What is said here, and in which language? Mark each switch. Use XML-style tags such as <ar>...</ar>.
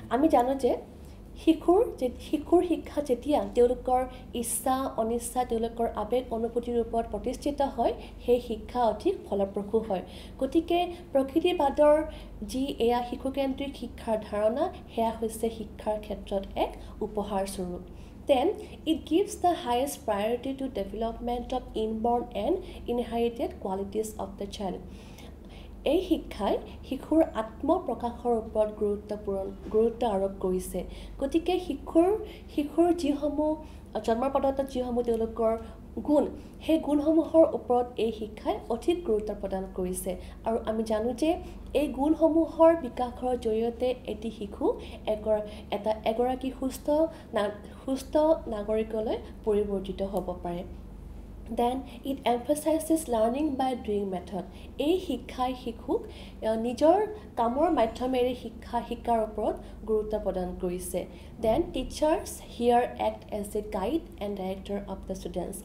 <as>আমি জানো যে শিশুৰ শিক্ষা যেতিয়া তেওঁলোকৰ ইচ্ছা অনিচ্ছা তেওঁলোকৰ আৱেগ অনুভূতিৰ ওপৰত প্ৰতিষ্ঠিত হয় সেই শিক্ষা অধিক ফলপ্ৰসূ হয়। গতিকে প্ৰকৃতিবাদৰ যি এয়া শিশুকেন্দ্ৰিক শিক্ষাৰ ধাৰণা সেয়া হৈছে শিক্ষাৰ ক্ষেত্ৰত এক উপহাৰস্বৰূপ।</as> <en>Then it gives the highest priority to development of inborn and inherited qualities of the child.</en> <as>এই শিক্ষাই শিশুৰ আত্মপ্ৰকাশৰ ওপৰত গুৰুত্ব আৰোপ কৰিছে। গতিকে শিশুৰ যিসমূহ জন্মৰ পদত যিসমূহ তেওঁলোকৰ গুণ সেই গুণসমূহৰ ওপৰত এই শিক্ষাই অধিক গুৰুত্ব প্ৰদান কৰিছে। আৰু আমি জানো যে এই গুণসমূহৰ বিকাশৰ জৰিয়তে এটি শিশু এগৰাকী সুস্থ নাগৰিকলৈ পৰিৱৰ্তিত হ'ব পাৰে।</as> <en>Then it emphasizes learning by doing method.</en> <as>এই শিক্ষাই শিশুক নিজৰ কামৰ মাধ্যমেৰে শিকাৰ ওপৰত গুৰুত্ব প্ৰদান কৰিছে।</as> <en>Then teachers here act as a guide and director of the students.</en>